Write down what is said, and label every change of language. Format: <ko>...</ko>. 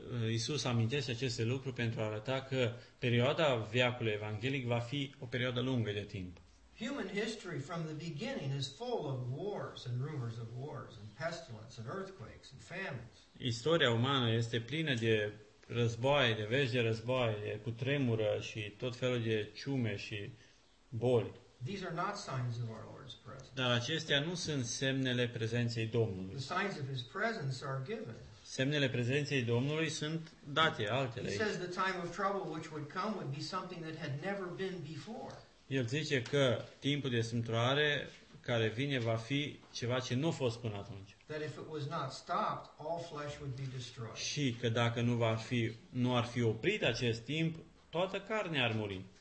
<ro>Iisus amintește aceste lucruri pentru a arăta că perioada veacului evanghelic va fi o perioadă lungă de timp.</ro> <en>Human history from the beginning is full of wars and rumors of wars and pestilence and earthquakes and famines.</en> <ro>Istoria umană este plină de războaie, de vești de războaie, de cutremură și tot felul de ciume și boli.</ro> <en>These are not signs of our Lord's presence.</en> <ro>Dar acestea nu sunt semnele prezenței Domnului.</ro> <en>The signs of his presence are given.</en> <ro>Semnele prezenței Domnului sunt date, altele.</ro> <en>He says the time of trouble which would come would be something that had never been before.</en> <ro>El zice că timpul de strâmtoare care vine va fi ceva ce nu a fost până atunci.</ro> <en>That if it was not stopped, all flesh would be destroyed.</en> <ro>Și că dacă nu ar fi oprit acest timp, toată carnea ar muri.</ro>